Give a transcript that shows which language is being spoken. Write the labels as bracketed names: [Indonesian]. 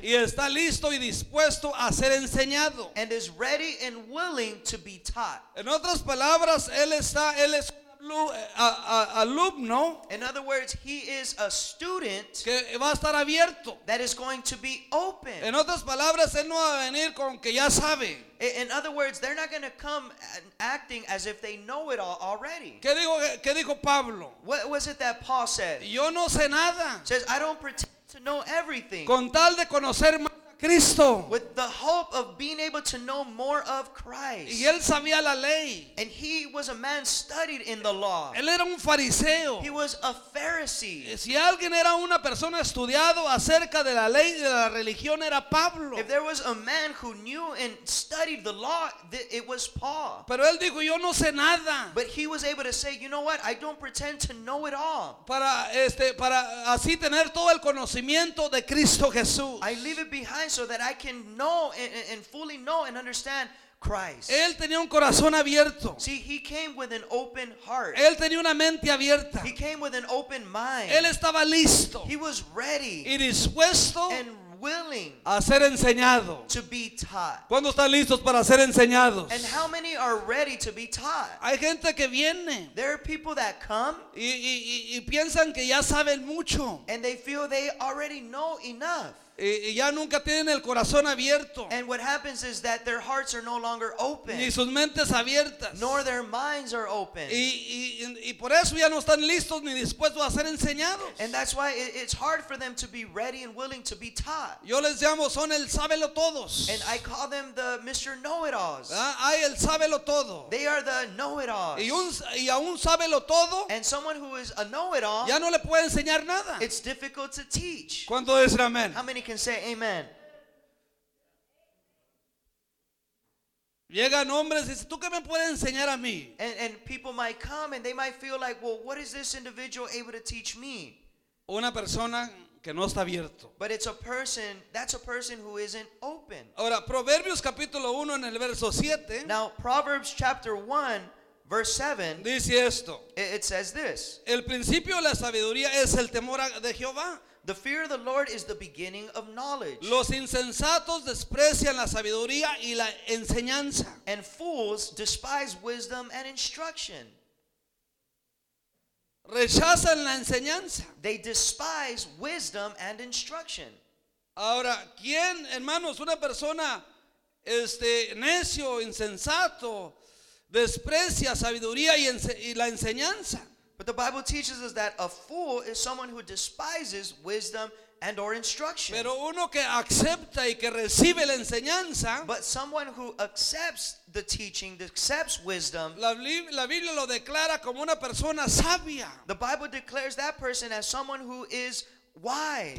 [Spanish] y está listo y dispuesto a ser enseñado, [English] and is ready and willing to be taught. [Spanish] En otras palabras, él es alumno. [English] In other words, he is a student [Spanish] que va a estar abierto, [English] that is going to be open. [Spanish] En otras palabras, él no va a venir con que ya sabe. [English] In other words, they're not going to come acting as if they know it all already. [Spanish] ¿Qué dijo Pablo? [English] What was it that Paul said? [Spanish] Yo no sé nada. [English] Says, I don't pretend to know everything. [Spanish] Con tal de conocer más a Cristo. [English] With the hope of being able to know more of Christ. [Spanish] Y él sabía la ley. [English] And he was a man studied in the law. [Spanish] Él era un fariseo. [English] He was a Pharisee. [Spanish] Si alguien era una persona estudiado acerca de la ley y de la religión, era Pablo. [English] If there was a man who knew and studied the law, it was Paul. [Spanish] Pero él dijo, yo no sé nada. [English] But he was able to say, you know what? I don't pretend to know it all. [Spanish] Para para así tener todo el conocimiento de Cristo Jesús. [English] I leave it behind so that I can know and fully know and understand Christ. [Spanish] Él tenía un corazón abierto. [English] See, he came with an open heart. [Spanish] Él tenía una mente abierta. [English] He came with an open mind. [Spanish] Él estaba listo. [English] He was ready. [Spanish] Y dispuesto. [English] And willing. [Spanish] A ser enseñado. [English] To be taught. [Spanish] ¿Cuándo están listos para ser enseñados? [English] And how many are ready to be taught? [Spanish] Hay gente que viene. [English] There are people that come. [Spanish] Y piensan que ya saben mucho. [English] And they feel they already know enough. [Spanish] Y ya nunca tienen el corazón abierto. [English] And what happens is that their hearts are no longer open. [Spanish] Ni sus mentes abiertas. [English] Nor their minds are open. [Spanish] Y por eso ya no están listos ni dispuestos a ser enseñados. [English] And that's why it's hard for them to be ready and willing to be taught. [Spanish] Yo les llamo son el sábelo todos. [English] And I call them the Mr. Know-it-alls. [Spanish] Hay el sábelo todo. [English] They are the know-it-alls. [Spanish] Y a un sábelo todo. [English] And someone who is a know-it-all. [Spanish] Ya no le puede enseñar nada. [English] It's difficult to teach. [Spanish] ¿Cuánto es amén? [English] How many can say amen? [Spanish] Llegan hombres y dicen, ¿tú qué me puedes enseñar a mí? [English] And people might come and they might feel like, well, what is this individual able to teach me? [Spanish] Una persona que no está abierto. [English] But it's a person, that's a person who isn't open. [Spanish] Ahora, Proverbios capítulo 1 en el verso 7. [English] Now, Proverbs chapter 1, verse 7. [Spanish] Dice esto. [English] It says this. [Spanish] El principio de la sabiduría es el temor de Jehová. [English] The fear of the Lord is the beginning of knowledge. [Spanish] Los insensatos desprecian la sabiduría y la enseñanza. [English] And fools despise wisdom and instruction. [Spanish] Rechazan la enseñanza. [English] They despise wisdom and instruction. [Spanish] Ahora, ¿quién, hermanos, una persona necio, insensato, desprecia sabiduría y la enseñanza? [English] But the Bible teaches us that a fool is someone who despises wisdom and or instruction. [Spanish] Pero uno que acepta y que recibe la enseñanza. [English] But someone who accepts the teaching, that accepts wisdom. [Spanish] La Biblia lo declara como una persona sabia. [English] The Bible declares that person as someone who is wise.